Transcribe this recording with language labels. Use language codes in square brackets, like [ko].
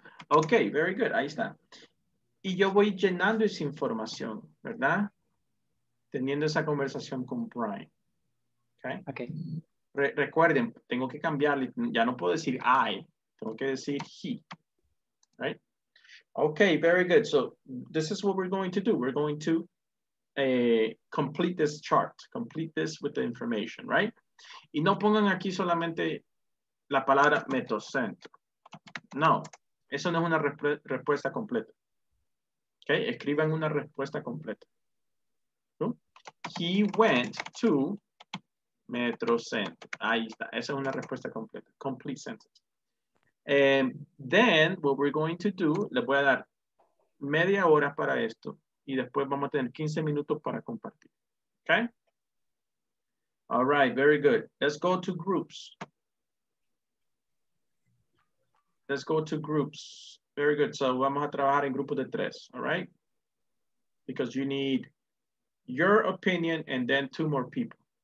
[en] Okay, very good, [es] ahí está. Y yo voy llenando esa información, ¿verdad? Teniendo esa conversación con Brian. Okay. [en] Okay. [es] Recuerden, tengo que cambiarle, ya no puedo decir I. Tengo que decir he, right? [en] Okay, very good. So this is what we're going to do. We're going to complete this chart, complete this with the information, right? [es] Y no pongan aquí solamente la palabra metrocentro. No, eso no es una respuesta completa. Okay, escriban una respuesta completa. ¿No? [en] He went to metrocentro. [es] Ahí está, esa es una respuesta completa, [en] complete sentence. And then what we're going to do, [es] les voy a dar media hora para esto y después vamos a tener 15 minutos para compartir. Okay? [en] All right, very good. Let's go to groups. Let's go to groups. Very good. [es] So vamos a trabajar en grupos de tres, all right? [en] Because you need your opinion and then two more people.